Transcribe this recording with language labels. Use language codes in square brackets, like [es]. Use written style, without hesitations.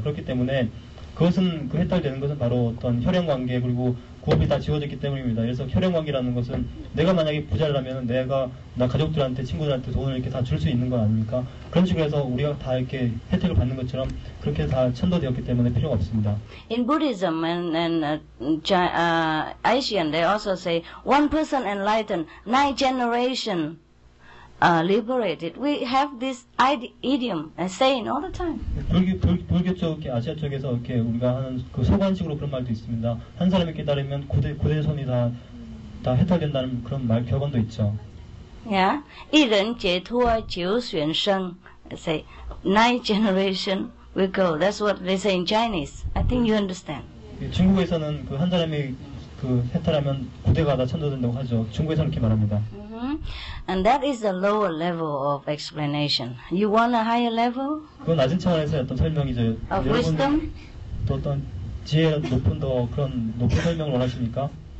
[ko] 그렇기 때문에 그것은 그 해탈되는 것은 바로 어떤 혈연 관계 그리고 구업이 다 지워졌기 때문입니다. 그래서 혈연 관계라는 것은 내가 만약에 부자라면 내가 나 가족들한테 친구들한테 돈을 이렇게 다 줄 수 있는 거 아닙니까? 그런 식으로 해서 우리가 다 이렇게 혜택을 받는 것처럼 그렇게 다 천도되었기 때문에 필요가 없습니다. [en] In Buddhism and Asian, they also say one person enlightened, nine generation liberated. We have this idiom and saying all the time. [ko] 불교 쪽, 아시아 쪽에서 이렇게 우리가 하는 그 소관식으로 그런 말도 있습니다. 한 사람이 깨달으면 고대손이 다 해탈된다는 그런 말 격언도 있죠. [en] Yeah, [zh] 一人解脱九旬生, [en] say nine generation will go. That's what they say in Chinese. I think you understand. [ko] 중국에서는 그 한 사람이 그 해탈하면 고대가 다 천도된다고 하죠. 중국에서 이렇게 말합니다. [en] And that is the lower level of explanation. You want a higher level? [ko] 그건 낮은 차원에서 어떤 설명이죠. [en] Of wisdom? [ko] 또 어떤 지혜 높은 더 그런 높은 설명을 원하십니까?